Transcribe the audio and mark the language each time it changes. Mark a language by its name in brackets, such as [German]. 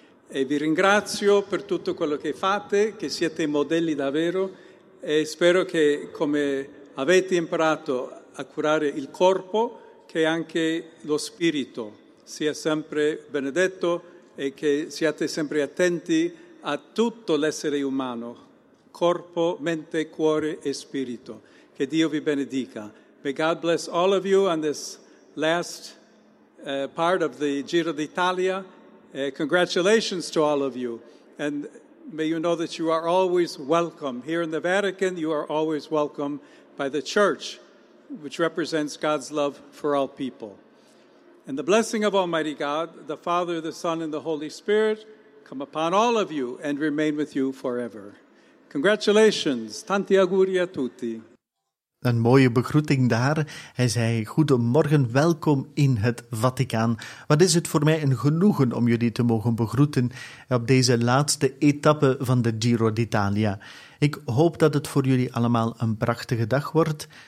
[Italian] E vi ringrazio per tutto quello che fate, che siete modelli davvero, e spero che come avete imparato a curare il corpo, che anche lo spirito sia sempre benedetto e che siate sempre attenti a tutto l'essere umano, corpo, mente, cuore e spirito. Che Dio vi benedica. [English] May God bless all of you on this last part of the Giro d'Italia. Congratulations to all of you, and may you know that you are always welcome. Here in the Vatican, you are always welcome by the Church, which represents God's love for all people. And the blessing of Almighty God, the Father, the Son, and the Holy Spirit, come upon all of you and remain with you forever. Congratulations. [Italian] Tanti auguri a tutti. [Dutch] Een mooie begroeting daar. Hij zei, goedemorgen, welkom in het Vaticaan. Wat is het voor mij een genoegen om jullie te mogen begroeten op deze laatste etappe van de Giro d'Italia. Ik hoop dat het voor jullie allemaal een prachtige dag wordt.